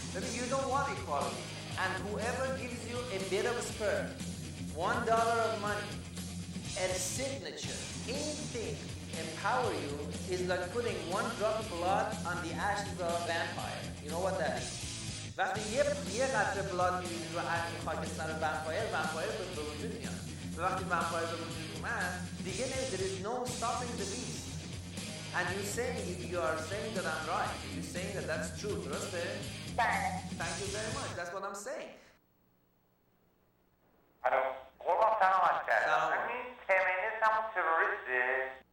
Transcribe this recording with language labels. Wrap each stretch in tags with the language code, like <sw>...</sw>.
<en>Maybe you don't want equality and whoever gives you a bit of sperm, $1 of money, a signature, anything empower you is like putting one drop of blood on the ashes of a vampire. You know what that is?</en> <fa>وقتی یه قطره blood میریزی رو از خاکستر vampire به وجود میاد. وقتی vampire به وجود اومد دیگه نه,</fa> <en>there is no stopping the beast. And you say, if you are saying that I'm right, you saying that that's true,</en> <fa>درسته?</fa> <en>Thank you very much, that's what I'm saying. Hello.</en> <fa>قربان سلام عرض کردم. سلام. این فمینیست همون تروریسته؟</fa>